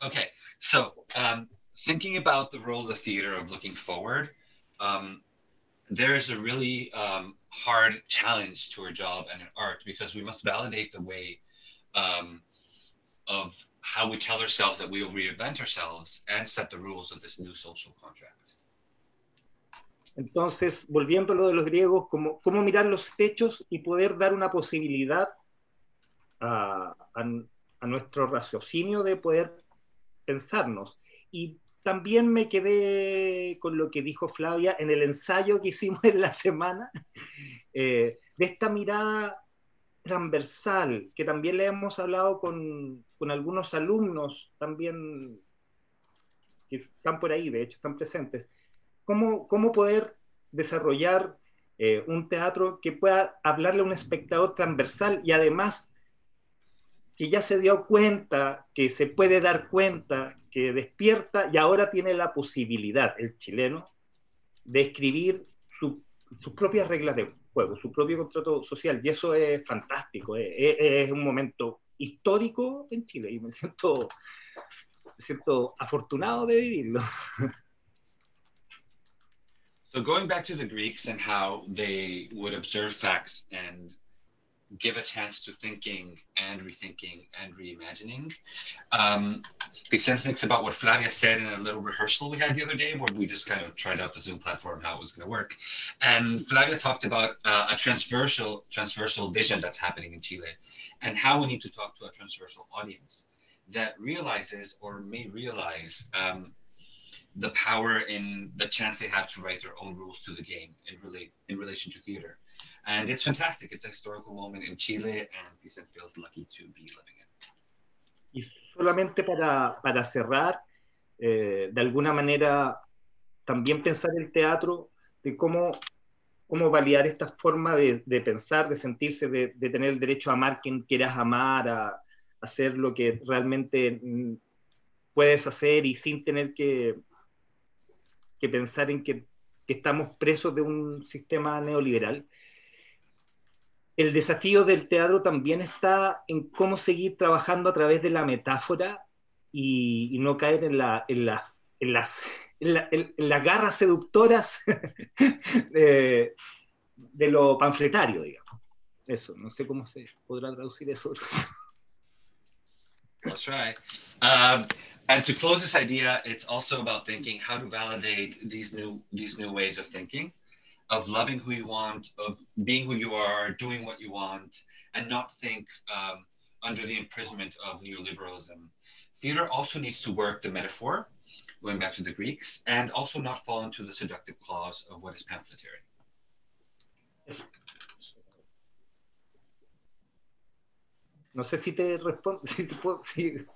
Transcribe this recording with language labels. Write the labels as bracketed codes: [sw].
[en] Okay, so thinking about the role of the theater of looking forward, there is a really hard challenge to our job and in art, because we must validate the way of how we tell ourselves that we will reinvent ourselves and set the rules of this new social contract. [es] Entonces, volviendo a lo de los griegos, ¿cómo, cómo mirar los techos y poder dar una posibilidad a nuestro raciocinio de poder pensarnos? Y también me quedé con lo que dijo Flavia en el ensayo que hicimos en la semana, de esta mirada transversal, que también le hemos hablado con algunos alumnos también que están por ahí, de hecho están presentes. ¿Cómo, cómo poder desarrollar un teatro que pueda hablarle a un espectador transversal y además que ya se dio cuenta, que se puede dar cuenta, que despierta y ahora tiene la posibilidad, el chileno, de escribir su, sus propias reglas de juego, su propio contrato social? Y eso es fantástico, es un momento histórico en Chile y me siento afortunado de vivirlo. [en] So going back to the Greeks and how they would observe facts and give a chance to thinking and rethinking and reimagining, the sense makes about what Flavia said in a little rehearsal we had the other day where we just kind of tried out the Zoom platform, how it was going to work. And Flavia talked about a transversal vision that's happening in Chile and how we need to talk to a transversal audience that realizes or may realize the power and the chance they have to write their own rules to the game in relation to theater. And it's fantastic. It's a historical moment in Chile and Vicente feels lucky to be living it. [es] Y solamente para cerrar, de alguna manera también pensar el teatro de cómo validar esta forma de pensar, de sentirse, de tener el derecho a amar quien quieras amar, a hacer lo que realmente puedes hacer y sin tener que pensar en que estamos presos de un sistema neoliberal. El desafío del teatro también está en cómo seguir trabajando a través de la metáfora y no caer en las garras seductoras de lo panfletario, digamos. Eso, no sé cómo se podrá traducir eso. [en] That's right. And to close this idea, it's also about thinking how to validate these new ways of thinking, of loving who you want, of being who you are, doing what you want, and not think under the imprisonment of neoliberalism. Theater also needs to work the metaphor, going back to the Greeks, and also not fall into the seductive claws of what is pamphletary. [es] No sé si te respondo, si te puedo, si...